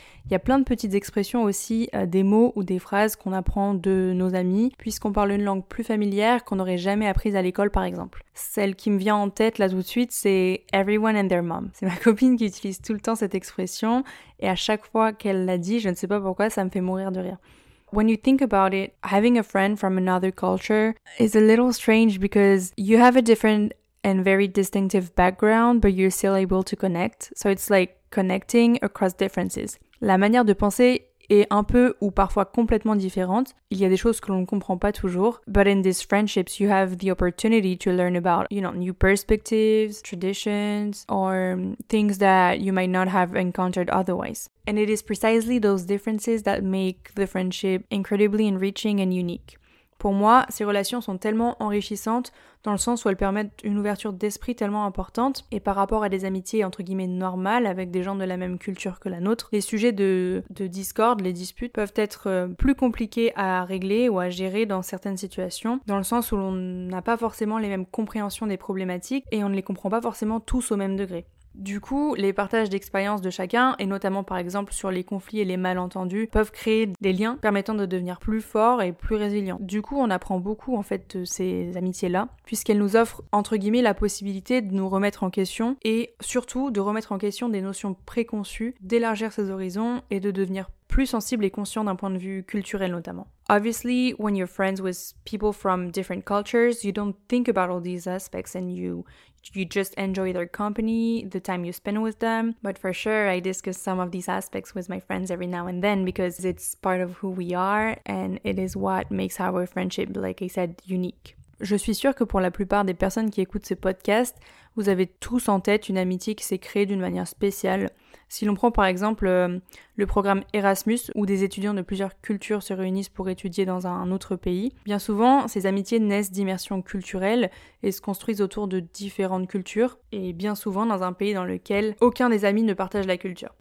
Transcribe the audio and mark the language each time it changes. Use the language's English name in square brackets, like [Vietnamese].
[French] Il y a plein de petites expressions aussi, des mots ou des phrases qu'on apprend de nos amis, puisqu'on parle une langue plus familière qu'on n'aurait jamais apprise à l'école par exemple. Celle qui me vient en tête là tout de suite, c'est « [English] everyone and their mom ». [French] C'est ma copine qui utilise tout le temps cette expression, et à chaque fois qu'elle l'a dit, je ne sais pas pourquoi, ça me fait mourir de rire. [English] When you think about it, having a friend from another culture is a little strange because you have a different and very distinctive background, but you're still able to connect. So it's like connecting across differences. [French] La manière de penser est un peu ou parfois complètement différente. Il y a des choses que l'on ne comprend pas toujours. [English] But in these friendships, you have the opportunity to learn about, you know, new perspectives, traditions, or things that you might not have encountered otherwise. And it is precisely those differences that make the friendship incredibly enriching and unique. [French] Pour moi, ces relations sont tellement enrichissantes dans le sens où elles permettent une ouverture d'esprit tellement importante et par rapport à des amitiés entre guillemets normales avec des gens de la même culture que la nôtre, les sujets de discorde, les disputes peuvent être plus compliqués à régler ou à gérer dans certaines situations dans le sens où l'on n'a pas forcément les mêmes compréhensions des problématiques et on ne les comprend pas forcément tous au même degré. Du coup, les partages d'expériences de chacun, et notamment par exemple sur les conflits et les malentendus, peuvent créer des liens permettant de devenir plus fort et plus résilient. Du coup, on apprend beaucoup en fait de ces amitiés-là, puisqu'elles nous offrent entre guillemets la possibilité de nous remettre en question, et surtout de remettre en question des notions préconçues, d'élargir ses horizons et de devenir plus sensible et conscient d'un point de vue culturel notamment. [English] Obviously, when you're friends with people from different cultures, you don't think about all these aspects and you just enjoy their company, the time you spend with them. But for sure, I discuss some of these aspects with my friends every now and then because it's part of who we are and it is what makes our friendship, like I said, unique. [French] Je suis sûre que pour la plupart des personnes qui écoutent ce podcast, vous avez tous en tête une amitié qui s'est créée d'une manière spéciale. Si l'on prend par exemple le programme Erasmus, où des étudiants de plusieurs cultures se réunissent pour étudier dans un autre pays, bien souvent, ces amitiés naissent d'immersions culturelles et se construisent autour de différentes cultures, et bien souvent dans un pays dans lequel aucun des amis ne partage la culture.